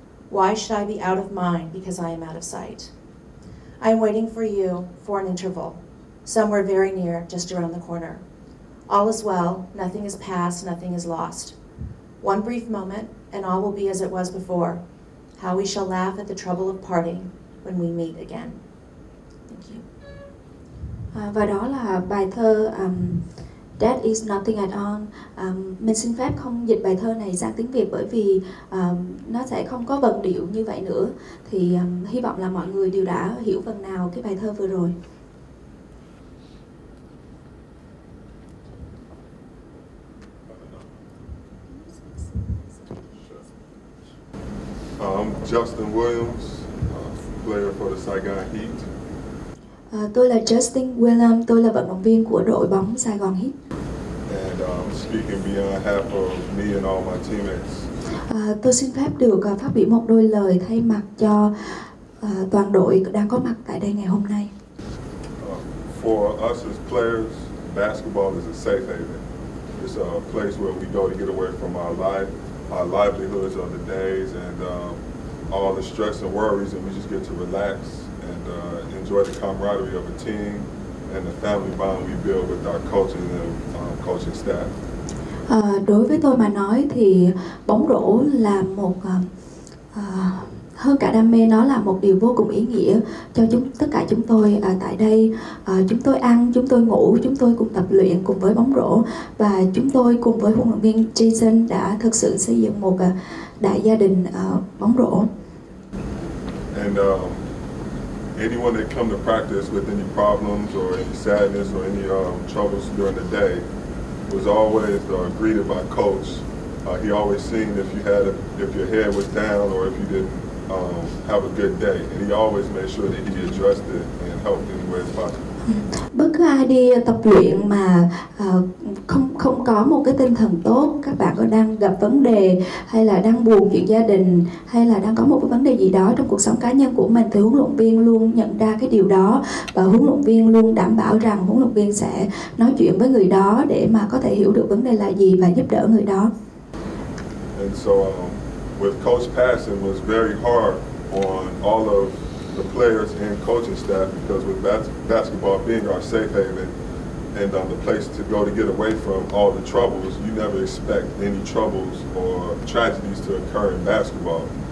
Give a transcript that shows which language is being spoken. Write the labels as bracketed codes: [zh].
[en] Why should I be out of mind because I am out of sight? I am waiting for you for an interval, somewhere very near, just around the corner. All is well, nothing is past, nothing is lost. One brief moment and all will be as it was before. How we shall laugh at the trouble of parting when we meet again. Thank you. [vi] Và đó là bài thơ Death is Nothing at All. Mình xin phép không dịch bài thơ này sang tiếng Việt bởi vì nó sẽ không có vần điệu như vậy nữa. Thì hy vọng là mọi người đều đã hiểu phần nào cái bài thơ vừa rồi. [en] I'm Justin Williams, player for the Saigon Heat. [vi] Tôi là Justin Williams, tôi là vận động viên của đội bóng Saigon Heat. [en] And speaking on behalf of me and all my teammates. [vi] Tôi xin phép được phát biểu một đôi lời thay mặt cho toàn đội đang có mặt tại đây ngày hôm nay. [en] For us as players, basketball is a safe haven. It's a place where we go to get away from our life. Our livelihoods of the days and all the stress and worries, and we just get to relax and enjoy the camaraderie of a team and the family bond we build with our coach and the coaching staff. [vi] Đối với tôi mà nói thì bóng rổ là một hơn cả đam mê, nó là một điều vô cùng ý nghĩa cho tất cả chúng tôi tại đây. Chúng tôi ăn, chúng tôi ngủ, chúng tôi cùng tập luyện cùng với bóng rổ. Và chúng tôi cùng với huấn luyện viên Jason đã thực sự xây dựng một đại gia đình bóng rổ. [en] And anyone that come to practice with any problems or any sadness or any troubles during the day was always greeted by coach. He always seen if your head was down or if you didn't have a good day, and he always made sure that he addressed it and helped in any way as possible. [vi] Bất cứ ai đi tập luyện mà không có một cái tinh thần tốt, các bạn có đang gặp vấn đề hay là đang buồn chuyện gia đình hay là đang có một cái vấn đề gì đó trong cuộc sống cá nhân của mình, thì huấn luyện viên luôn nhận ra cái điều đó và huấn luyện viên luôn đảm bảo rằng huấn luyện viên sẽ nói chuyện với người đó để mà có thể hiểu được vấn đề là gì và giúp đỡ người đó. [en] And so with coach passing was very hard on all of the players and coaching staff, because with basketball being our safe haven and the place to go to get away from all the troubles, you never expect any troubles or tragedies to occur in basketball.